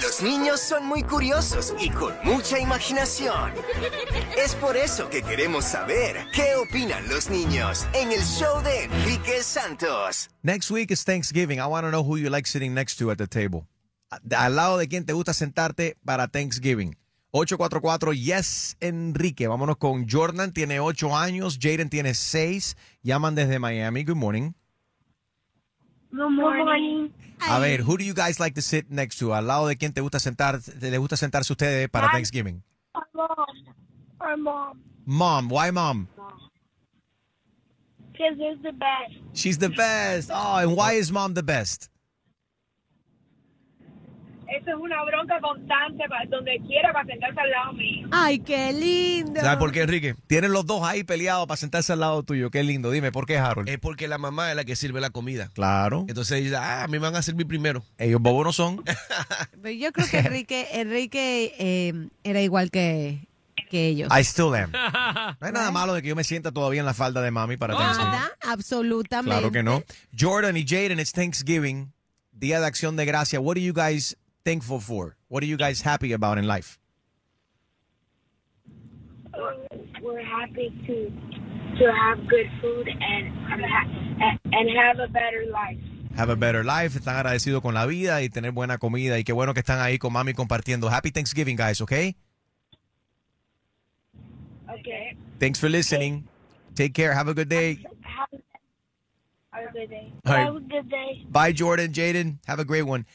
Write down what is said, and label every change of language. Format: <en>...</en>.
<es>Los niños son muy curiosos y con mucha imaginación. Es por eso que queremos saber qué opinan los niños en el show de Enrique Santos.</es> <en>Next week is Thanksgiving. I want to know who you like sitting next to at the table.</en> <es>Al lado de quien te gusta sentarte para Thanksgiving. 844, yes, Enrique. Vámonos con Jordan, tiene 8 años. Jaden tiene 6. Llaman desde Miami.</es> <en>Good morning. Good morning.</en> <es>A ver,</es> <en>who do you guys like to sit next to?</en> <es>Al lado de quien te gusta sentar, le gusta sentarse ustedes para Thanksgiving.</es> <en>My mom. Mom, why mom? Because she's the best. She's the best. Oh, and why is mom the best?</en> <es>Eso es una bronca constante para donde quiera para sentarse al lado mío. ¡Ay, qué lindo! ¿Sabes por qué, Enrique? Tienen los dos ahí peleados para sentarse al lado tuyo. ¡Qué lindo! Dime, ¿por qué, Harold? Es porque la mamá es la que sirve la comida. Claro. Entonces ella dice, a mí me van a servir primero. Ellos bobos no son. Pero yo creo que Enrique era igual que ellos.</es> <en>I still am.</en> <es>No hay nada malo de que yo me sienta todavía en la falda de mami para Thanksgiving. Nada, absolutamente. Claro que no. Jordan y Jaden, it's Thanksgiving, Día de Acción de Gracia.</es> <en>What do you guys thankful for? What are you guys happy about in life? We're happy to have good food and have a better life. Have a better life.</en> <es>Están agradecidos con la vida y tener buena comida. Y qué bueno que están ahí con mami compartiendo.</es> <en>Happy Thanksgiving, guys, okay? Okay. Thanks for listening. Okay. Take care. Have a good day. Have a good day. Bye, Jordan, Jaden. Have a great one.</en>